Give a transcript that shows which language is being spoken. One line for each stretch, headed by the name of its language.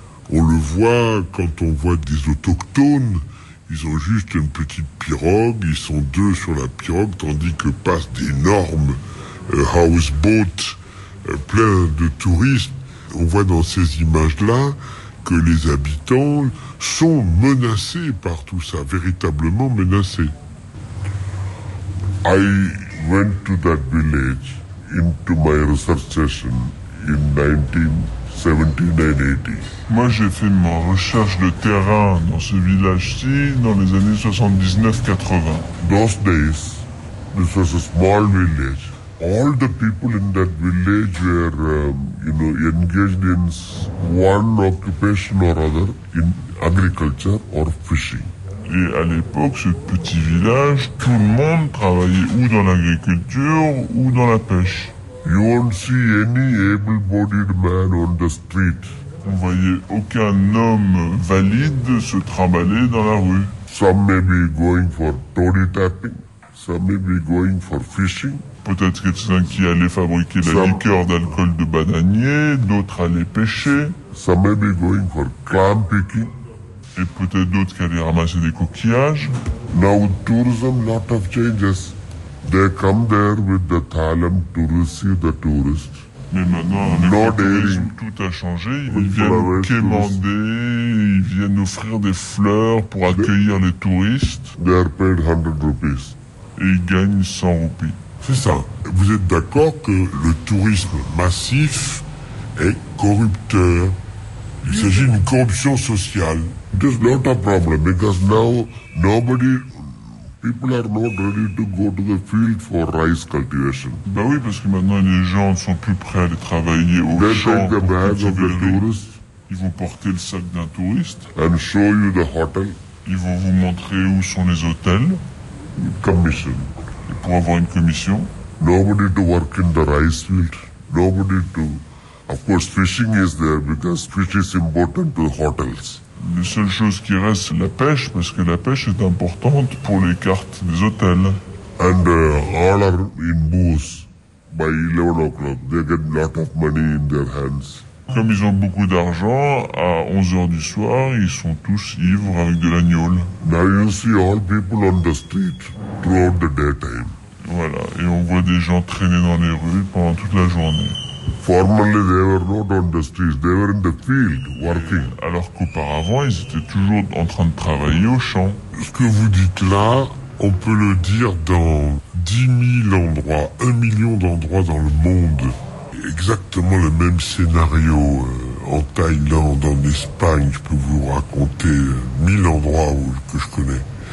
French: On le voit quand on voit des autochtones. Ils ont juste une petite pirogue, ils sont deux sur la pirogue, tandis que passent d'énormes houseboats pleins de touristes. On voit dans ces images-là que les habitants sont menacés par tout ça, véritablement menacés.
English: I went to that village into my research station in 1979-80.
French: Moi, j'ai fait ma recherche de terrain dans ce village-ci dans les années 79-80.
English: Those days, this was a small village. All the people in that village were, engaged in one occupation or other, in agriculture or fishing.
French: Et à l'époque, ce petit village, tout le monde travaillait ou dans l'agriculture ou dans la pêche.
English: You won't see any able-bodied man on the street.
French: On voyait aucun homme valide se trimballer dans la rue.
English: Some may be going for toady tapping. Some may be going for fishing.
French: Peut-être quelqu'un qui allait fabriquer la liqueur d'alcool de bananier, d'autres allaient pêcher.
English: Some may be going for clam picking.
French: Et peut-être d'autres qui allaient ramasser des coquillages.
English: Now tourism, lot of changes. They come there with the thalam to receive the tourists.
French: Mais maintenant, avec le tourisme, tout a changé. Ils viennent quémander, ils viennent offrir des fleurs pour accueillir les touristes.
English: They are paid 100 rupees.
French: Et ils gagnent 100 rupees. C'est ça. Vous êtes d'accord que le tourisme massif est corrupteur? Il s'agit d'une corruption sociale.
English: There's not a problem because now nobody. People are not ready to go to the field for rice cultivation.
French: Bah oui, parce que maintenant les gens ne sont plus prêts à aller travailler au
English: they
French: champ.
English: They take the bag of the tourist.
French: Ils vont porter le sac d'un touriste.
English: And show you the hotel.
French: Ils vont vous montrer où sont les hôtels.
English: Commission.
French: Et pour avoir une commission.
English: Nobody to work in the rice field. Nobody to. Of course, fishing is there because fish is important to the hotels.
French: La seule chose qui reste, c'est la pêche, parce que la pêche est importante pour les cartes des hôtels.
English: And all are in booze by 11 o'clock. They get a lot of money in their hands.
French: Comme ils ont beaucoup d'argent, à 11 heures du soir, ils sont tous ivres avec de l'agneau.
English: Now you see all people on the street throughout the daytime.
French: Voilà, et on voit des gens traîner dans les rues pendant toute la journée.
English: Formerly they were not on the streets, they were in the field working.
French: Alors qu'auparavant, ils étaient toujours en train de travailler au champ. Ce que vous dites là, on peut le dire dans 10 000 endroits, 1 million d'endroits dans le monde. Exactement le même scénario en Thaïlande, en Espagne, je peux vous raconter 1000 endroits que je connais.